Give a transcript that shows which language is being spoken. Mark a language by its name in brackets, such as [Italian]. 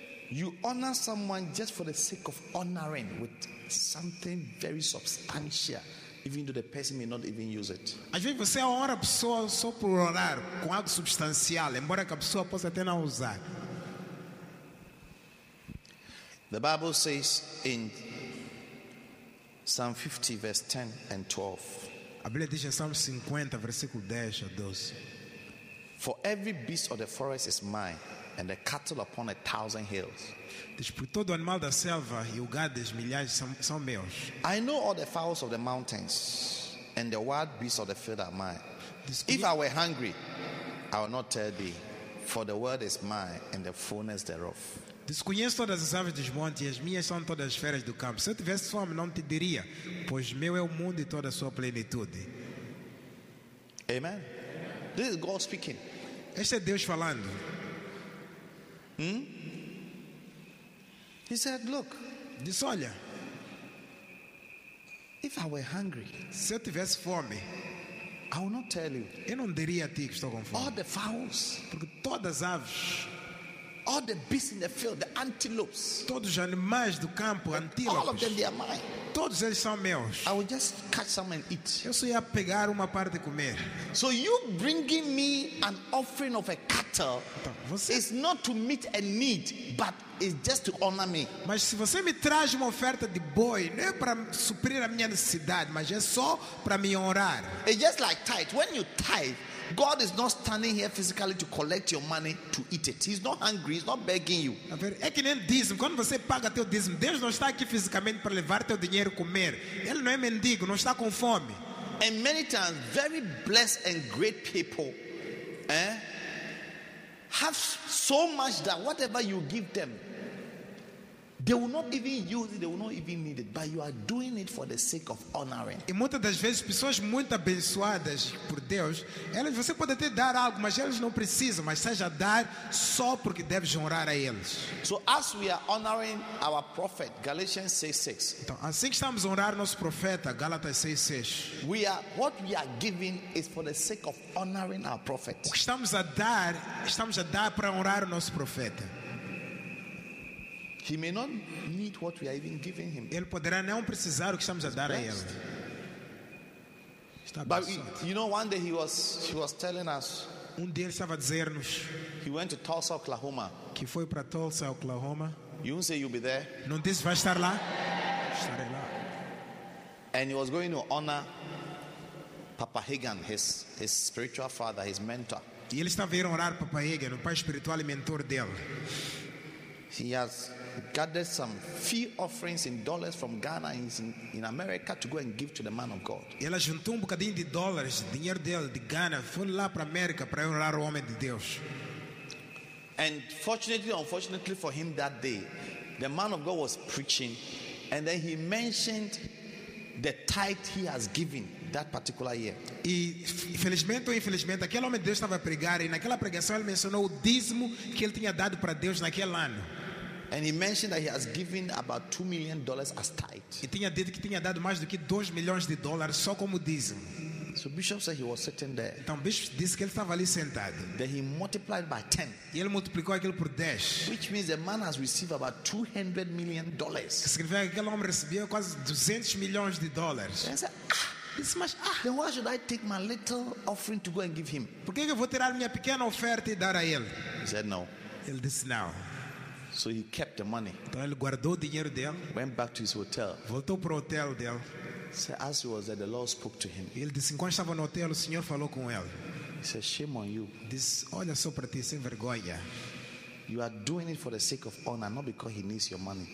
[English] you honor someone just for the sake of honoring with something very substantial. Even though the person may not even use it. [Portuguese] Às vezes você honra a pessoa só por honrar com algo substancial, embora que a pessoa possa até não usar. [English] The Bible says in Psalm 50, verse 10 and 12. [Portuguese] A Bíblia diz em Salmo 50, versículo 10 a 12. [English] For every beast of the forest is mine, and the cattle upon a thousand hills. [Portuguese] Diz, por todo animal da selva e o gado das milhares são meus. [English] I know all the fowls of the mountains, and the wild beasts of the field are mine. Diz, if I were hungry, I would not tell thee, for the world is mine, and the fullness thereof. [Portuguese] Desconheço todas as aves dos montes e as minhas são todas as feras do campo. Se eu tivesse fome, não te diria, pois meu é o mundo e toda a sua plenitude. [English] Amen. This is God speaking. [Portuguese] Este é Deus falando. [English] He said, look. [Portuguese] Diz, olha. [English] If I were hungry, [Portuguese] se eu tivesse fome, [English] I would not tell you. [Portuguese] Eu não diria a ti que estou com fome. [English] All the fowls, [Portuguese] porque todas as aves, [English] all the beasts in the field, the antelopes, [Portuguese] todos os animais do campo, antílopes, [English] all of them, they are mine. [Portuguese] Todos eles são meus. [English] I will just catch some and eat. [Portuguese] Eu só ia pegar uma parte e comer. [English] So you bringing me an offering of a cattle, [Portuguese] então, você [English] is not to meet a need, but is just to honor me. [Portuguese] Mas se você me traz uma oferta de boi, não é para suprir a minha necessidade, mas é só para me honrar. [English] It's just like tithe. When you tithe, God is not standing here physically to collect your money to eat it. He's not hungry. He's not begging you. [Portuguese] É que nem dízimo. Quando você paga teu dízimo, Deus não está aqui fisicamente para levar teu dinheiro e comer. Ele não é mendigo. Não está com fome. [English] And many times, very blessed and great people have so much that whatever you give them, they will not even use it, they will not even need it. But you are doing it for the sake of honoring. [Portuguese] E muitas das vezes, pessoas muito abençoadas por Deus, elas, você pode até dar algo, mas elas não precisam, mas seja dar só porque deves honrar a eles. [English] So as we are honoring our prophet, Galatians 6:6. [Portuguese] Então, assim que estamos honrando nosso profeta, Gálatas 6:6. [English] We are, what we are giving is for the sake of honoring our prophet. [Portuguese] O que estamos a dar para honrar o nosso profeta. [English] He may not need what we are even giving him. [Portuguese] Ele poderá não precisar o que estamos a dar a ele. Está bem. [English] But you know, one day he was telling us. [Portuguese] Um dia ele estava a dizer-nos. [English] He went to Tulsa, Oklahoma. [Portuguese] Que foi para Tulsa, Oklahoma. [English] You won't say you'll be there. [Portuguese] Não disse vai estar lá. Estarei lá. [English] And he was going to honor Papa Hagen, his spiritual father, his mentor. [Portuguese] E ele estava a honrar Papa Hagen, o pai espiritual e mentor dele. [English] He has gathered some few offerings in dollars from Ghana in America to go and give to the man of God. [Portuguese] Ele juntou um bocadinho de dólares, dinheiro dele de Ghana, foi lá para América para honrar o homem de Deus. [English] And fortunately, unfortunately for him that day, the man of God was preaching, and then he mentioned the tithe he has given that particular year. [Portuguese] E felizmente ou infelizmente, aquele homem de Deus estava a pregar e naquela pregação ele mencionou o dízimo que ele tinha dado para Deus naquele ano. [English] And he mentioned that he has given about $2 million as tithe. [Portuguese] E tinha dito que tinha dado mais do que $2 million só como dízimo. [English] So Bishop said he was sitting there. [Portuguese] Então Bishop disse que ele estava ali sentado. [English] Then he multiplied by 10. [Portuguese] E ele multiplicou aquilo por 10. [English] Which means the man has received about $200 million. [Portuguese] Significa que aquele homem recebeu quase $200 million. [English] And he said, this much. Then why should I take my little offering to go and give him? [Portuguese] Por que eu vou tirar minha pequena oferta e dar a ele? [English] He said no. [Portuguese] Ele disse não. [English] So he kept the money. [Portuguese] Então ele guardou o dinheiro dele. [English] Went back to his hotel. [Portuguese] Voltou para o hotel dele. [English] So as he was there, the Lord spoke to him. [Portuguese] Ele disse, enquanto estava no hotel, o Senhor falou com ele. [English] He said, shame on you. [Portuguese] Disse, olha só para ti, sem vergonha. [English] You are doing it for the sake of honor, not because he needs your money.